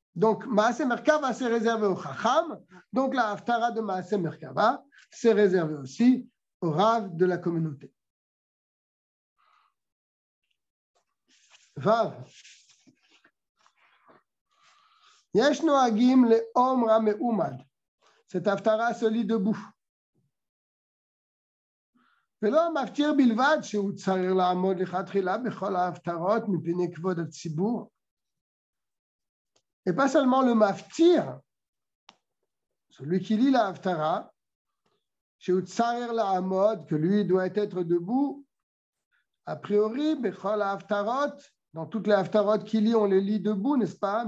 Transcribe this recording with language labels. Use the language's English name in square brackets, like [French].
[French] Donc, Maase Merkava, c'est réservé au Chacham. Donc, la Haftara de Maase Merkava, c'est réservé aussi au Rav de la communauté. Vav. [Hebrew] Yesh Noagim le Omra Meumad. [French] Cette Haftara se lit debout. [Hebrew] ולא מפתיר בלבד שהוא צריך לעמוד לכתחילה בכל ההפטרות מפני כבוד הציבור. [French] Et pas seulement le מפתיר, celui qui lit l'Haftara, [Hebrew] שהוא צריך לעמוד, [French] que lui doit être debout, a priori, [Hebrew] בכל ההפטרות, [French] dans toutes les Haftarot qu'il lit, on les lit debout, n'est-ce pas?